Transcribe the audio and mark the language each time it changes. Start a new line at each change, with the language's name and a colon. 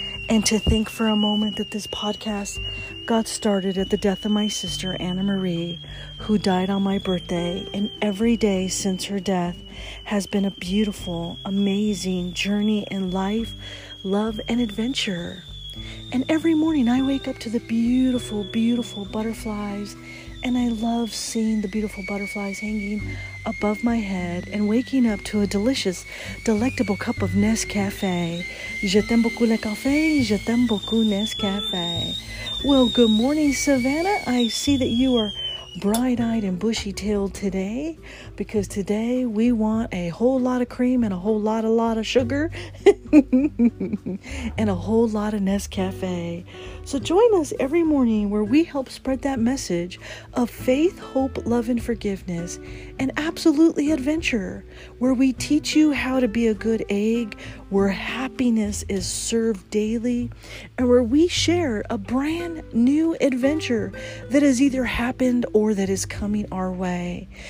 English: And to think for a moment that this podcast got started at the death of my sister, Anna Marie, who died on my birthday, and every day since her death has been a beautiful, amazing journey in life, love, and adventure. And every morning I wake up to the beautiful, beautiful butterflies, and I love seeing the beautiful butterflies hanging above my head and waking up to a delicious, delectable cup of Nescafe.
French: Je t'aime beaucoup le café, je t'aime beaucoup Nescafe.
English: Well, good morning, Savannah. I see that you are bright-eyed and bushy-tailed today, because today we want a whole lot of cream and a whole lot of sugar and a whole lot of Nescafe. So join us every morning where we help spread that message of faith, hope, love, and forgiveness, and absolutely adventure, where we teach you how to be a good egg, where happiness is served daily, and where we share a brand new adventure that has either happened or that is coming our way.